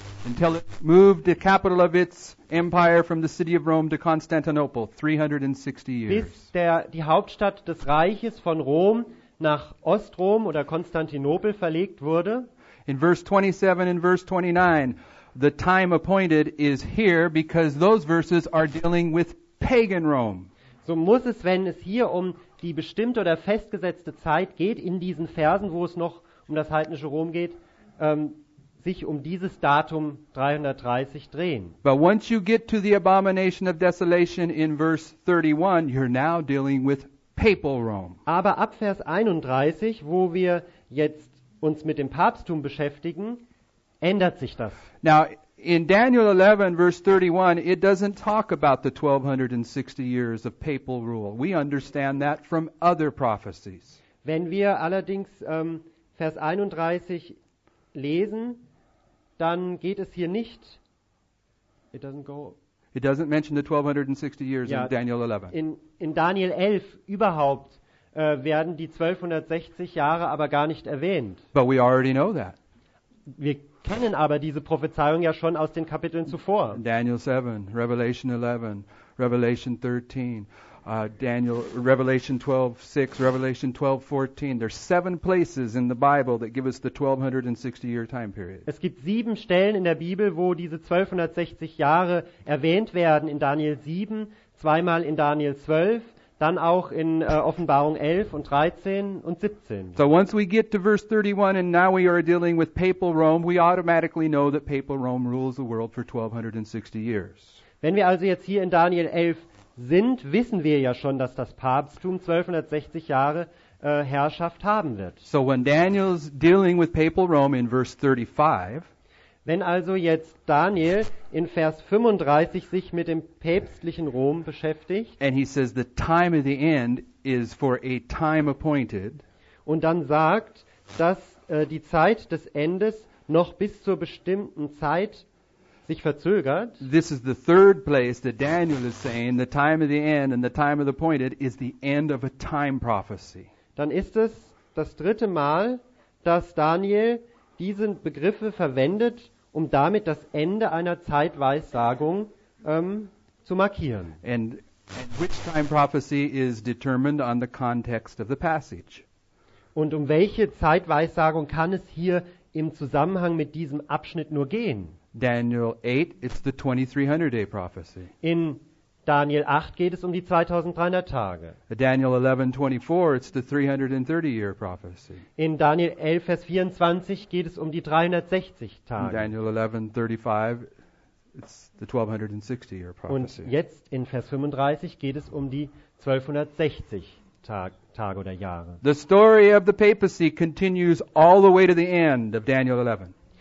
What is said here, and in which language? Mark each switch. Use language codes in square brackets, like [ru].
[en] Until it moved the capital of its empire from the city of Rome to Constantinople, 360 years. [de] Bis die Hauptstadt des Reiches von Rom nach Ostrom oder Konstantinopel verlegt wurde. [en] In verse 27 and verse 29, the time appointed is here because those verses are dealing with pagan Rome. [de] So muss es, wenn es hier um die bestimmte oder festgesetzte Zeit geht, in diesen Versen, wo es noch um das heidnische Rom geht, sich um dieses Datum 330 drehen. [en] But once you get to the abomination of desolation in verse 31, you're now dealing with papal Rome. [de] Aber ab Vers 31, wo wir jetzt uns mit dem Papsttum beschäftigen, ändert sich das. [en] Now, in Daniel 11, verse 31, it doesn't talk about the 1260 years of papal rule. We understand that from other prophecies. [de] Wenn wir allerdings Vers 31 lesen, dann geht es hier nicht. [en] It doesn't mention the 1260 years in Daniel 11. [de] In Daniel 11 überhaupt werden die 1260 Jahre aber gar nicht erwähnt. [en] But we already know that. [de] Wir kennen aber diese Prophezeiung ja schon aus den Kapiteln zuvor. [en] Daniel 7, Revelation 11, Revelation 13. Daniel, Revelation 12:6, Revelation 12:14. There's seven places in the Bible that give us the 1260 year time period. [de] Es gibt sieben Stellen in der Bibel, wo diese 1260 Jahre erwähnt werden. In Daniel 7, zweimal in Daniel 12, dann auch in Offenbarung 11 und 13 und 17. [en] So once we get to verse 31 and now we are dealing with papal Rome, we automatically know that papal Rome rules the world for 1260 years. [de] Wenn wir also jetzt hier in Daniel 11 sind, wissen wir ja schon, dass das Papsttum 1260 Jahre Herrschaft haben wird. [en] So when Daniel's dealing with papal Rome in verse 35, [de] wenn also jetzt Daniel in Vers 35 sich mit dem päpstlichen Rom beschäftigt, [en] and he says the time of the end is for a time appointed, [de] und dann sagt, dass die Zeit des Endes noch bis zur bestimmten Zeit sich verzögert. [en] This is the third place that Daniel is saying the time of the end and the time of the appointed is the end of a time prophecy. [de] Dann ist es das dritte Mal, dass Daniel diese Begriffe verwendet, um damit das Ende einer Zeitweissagung zu markieren. [en] And which time prophecy is determined on the context of the passage? [de] Und um welche Zeitweissagung kann es hier im Zusammenhang mit diesem Abschnitt nur gehen? [en] Daniel 8, it's the 2300 day prophecy. [de] In Daniel 8 geht es um die 2300 Tage. [en] Daniel 11, 24, it's the 330 year prophecy. [de] In Daniel 11, Vers 24 geht es um die 360 Tage. In [en] Daniel 11, 35, it's the 1260 year prophecy. [de] Und jetzt in Vers 35 geht es um die 1260 Tage oder Jahre. [en] The story of the papacy continues all the way to the end of Daniel 11.